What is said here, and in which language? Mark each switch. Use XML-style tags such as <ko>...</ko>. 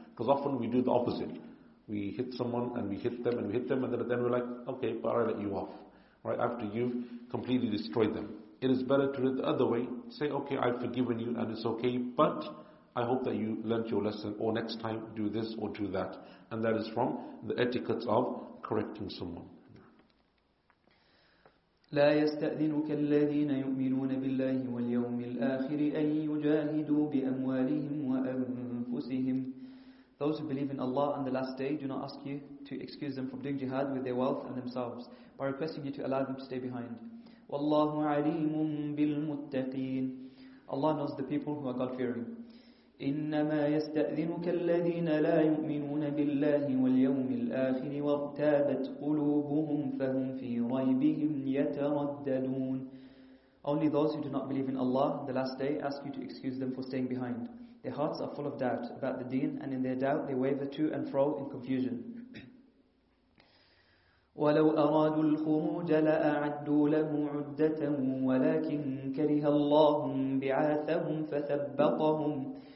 <en>Because often we do the opposite. We hit someone and we hit them and we hit them, and then we're like, okay, but I let you off. Right after you've completely destroyed them. It is better to do it the other way. Say, okay, I've forgiven you and it's okay, but I hope that you learned your lesson, or next time do this or do that. And that is from the etiquette of correcting someone.</en> <ar>لا يستأذنك الذين يؤمنون بالله واليوم الآخر أن يجاهدوا بأموالهم وأنفسهم.</ar> <en>Those who believe in Allah on the last day do not ask you to excuse them from doing jihad with their wealth and themselves by requesting you to allow them to stay behind.</en> <ar>وَاللَّهُ عَلِيمٌ بِالْمُتَّقِينَ.</ar> <en>Allah knows the people who are God-fearing.</en> <ar>إنما يستأذنك الذين لا يؤمنون بالله واليوم الآخر وارتابت قلوبهم فهم في ريبهم يترددون.</ar> <en>Only those who do not believe in Allah, the last day, ask you to excuse them for staying behind. Their hearts are full of doubt about the deen, and in their doubt they waver to and fro in confusion.</en> <ar>وَلَوْ أَرَادُوا الْخُرُوجَ لَأَعَدُّوا لَهُ عُدَّةً وَلَكِنْ كَرِهَ اللَّهُ بِعَاثَهُمْ فَثَبَّطَهُمْ.</ar>